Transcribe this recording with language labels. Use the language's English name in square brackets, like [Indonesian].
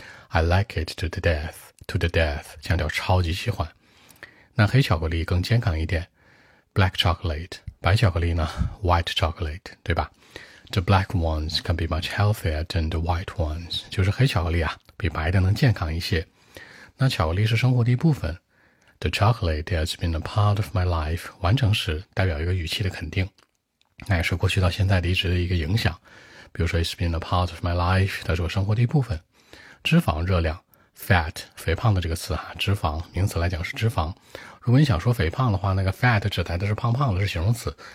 [English] I like it to the death， to the death [Chinese] 强调超级喜欢。那黑巧克力更健康一点， [English] black chocolate. [Chinese] 白巧克力呢 [English] white chocolate, [Chinese] 对吧 [English] The black ones can be much healthier than the white ones. [Chinese] 就是黑巧克力啊比白的能健康一些。那巧克力是生活的一部分。 [English] The chocolate has been a part of my life. [Chinese] 完成时代表一个语气的肯定。那也是过去到现在的一直的一个影响。比如说 [English] it's been a part of my life, [Chinese] 它是我生活的一部分。脂肪热量 ,fat, 肥胖的这个词啊脂肪名词来讲是脂肪。如果你想说肥胖的话那个 fat 指代的是胖胖的是形容词。